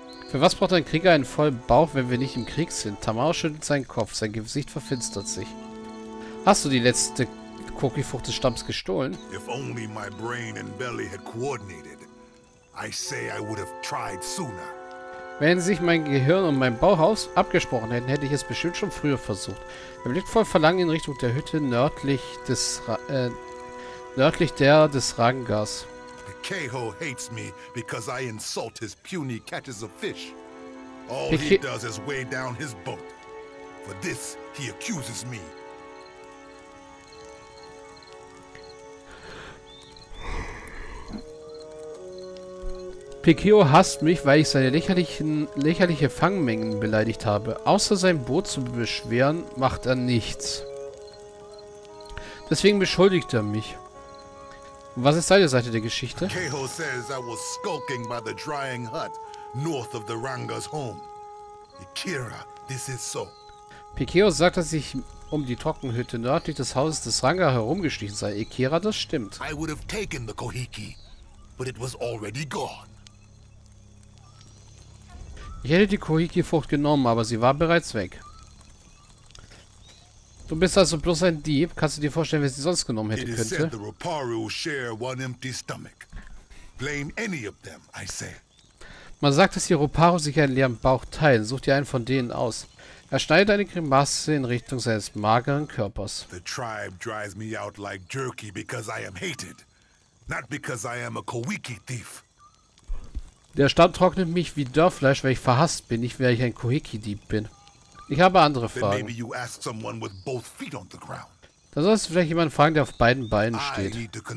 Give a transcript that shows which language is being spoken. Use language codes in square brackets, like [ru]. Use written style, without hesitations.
[de] Für was braucht ein Krieger einen vollen Bauch, wenn wir nicht im Krieg sind? Tamao schüttelt seinen Kopf. Sein Gesicht verfinstert sich. Hast du die letzte Kokifrucht des Stamms gestohlen? [en] If only my brain and belly had coordinated, I say I would have tried sooner. [de] Wenn sich mein Gehirn und mein Bauch abgesprochen hätten, hätte ich es bestimmt schon früher versucht. Er blickt voll Verlangen in Richtung der Hütte nördlich des Rangas. [en] Keho hates me because I insult his puny catches of fish. All he does is weigh down his boat. For this he accuses me. [de] Pikio hasst mich, weil ich seine lächerliche Fangmengen beleidigt habe. Außer sein Boot zu beschweren, macht er nichts. Deswegen beschuldigt er mich. Was ist seine Seite der Geschichte? [en] Keho says I was skulking by the drying hut north of the Ranga's home. Ikira, this is so. [de] Pikio sagt, dass ich um die Trockenhütte nördlich des Hauses des Ranga herumgeschlichen sei. Ikira, das stimmt. [en] I would have taken the Kohiki, but it was already gone. [de] Ich hätte die Kohiki-Frucht genommen, aber sie war bereits weg. Du bist also bloß ein Dieb. Kannst du dir vorstellen, wer sie sonst genommen hätte könnte? [en] It is said the Ruparu share one empty stomach. Blame any of them, I say. [de] Man sagt, dass die Ruparu sich einen leeren Bauch teilen. Such dir einen von denen aus. Er schneidet eine Grimasse in Richtung seines mageren Körpers. [en] The tribe drives me out like jerky because I am hated. Not because I am a Kowiki thief. [de] Der Stamm trocknet mich wie Dörrfleisch, weil ich verhasst bin, nicht weil ich ein Kohiki-Dieb bin. Ich habe andere Fragen. Da sollst du vielleicht jemanden fragen, der auf beiden Beinen steht.